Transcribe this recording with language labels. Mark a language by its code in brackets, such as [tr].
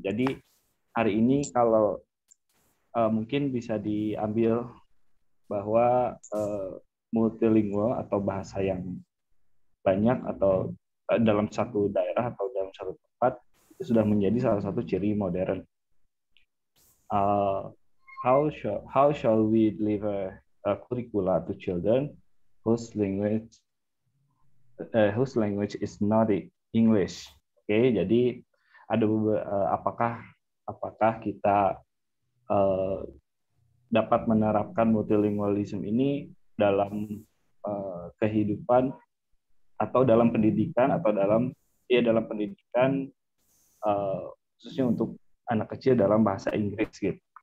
[id] Jadi hari ini kalau mungkin bisa diambil bahwa multilingual atau bahasa yang banyak atau dalam satu daerah atau dalam satu tempat itu sudah menjadi salah satu ciri modern. [en] How shall we deliver a curricula to children whose language is not English? [id] Okay, jadi ada apakah kita dapat menerapkan multilingualism ini dalam kehidupan atau dalam pendidikan atau dalam pendidikan khususnya untuk anak kecil dalam bahasa Inggris gitu.